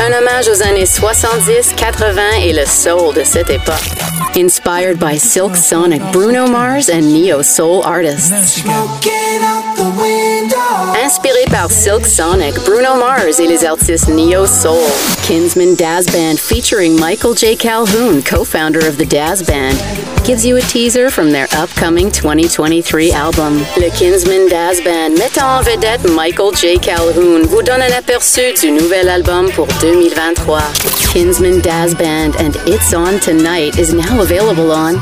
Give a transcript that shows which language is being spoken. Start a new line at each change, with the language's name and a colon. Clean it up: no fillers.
French: Un hommage aux années 70, 80 et le soul de cette époque.
English: Inspired by Silk Sonic, Bruno Mars and neo soul artists.
French: Inspiré par Silk Sonic, Bruno Mars et les artistes neo soul.
English: Kinsmen Daz Band featuring Michael J. Calhoun, co-founder of the Daz Band, gives you a teaser from their upcoming 2023 album.
French: Le Kinsmen Daz Band mettant en vedette Michael J. Calhoun vous donne un aperçu du nouvel album pour 2023.
English: Kinsmen Daz Band and It's On Tonight is now available on.